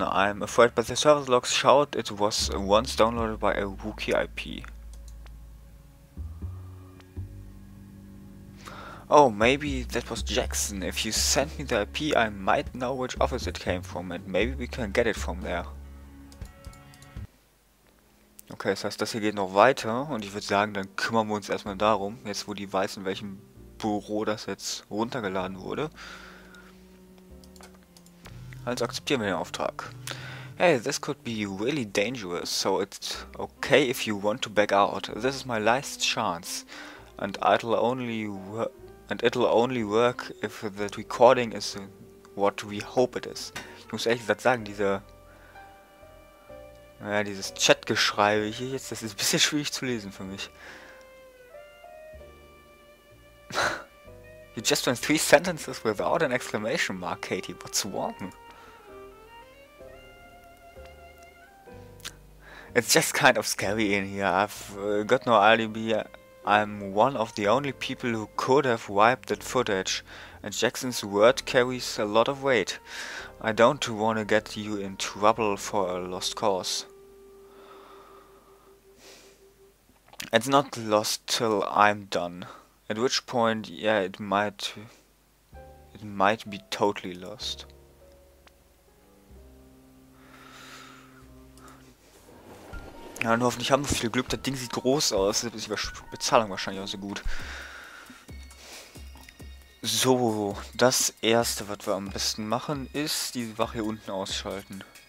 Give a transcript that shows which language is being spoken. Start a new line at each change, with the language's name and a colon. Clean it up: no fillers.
English: I'm afraid, but the service logs showed it was once downloaded by a Wookiee IP. Oh, maybe that was Jackson. If you sent me the IP, I might know which office it came from, and maybe we can get it from there.
German: Okay, das heißt, das hier geht noch weiter, und ich würde sagen, dann kümmern wir uns erstmal darum, jetzt wo die weiß, in welchem Büro das jetzt runtergeladen wurde. Also akzeptieren wir den Auftrag.
English: Hey, this could be really dangerous, so it's okay if you want to back out. This is my last chance. And it'll only work if the recording is what we hope it is.
German: Ich muss ehrlich gesagt sagen, dieses Chatgeschrei hier jetzt, das ist ein bisschen schwierig zu lesen für mich.
English: You just went 3 sentences without an exclamation mark, Katie. What's wrong? It's just kind of scary in here. I've got no alibi. I'm one of the only people who could have wiped that footage. And Jackson's word carries a lot of weight. I don't want to get you in trouble for a lost cause. It's not lost till I'm done. At which point, yeah, it might be totally lost.
German: Ja, und hoffentlich haben wir viel Glück, das Ding sieht groß aus, das ist die Bezahlung wahrscheinlich auch so gut. So, das erste, was wir am besten machen, ist die Wache hier unten ausschalten.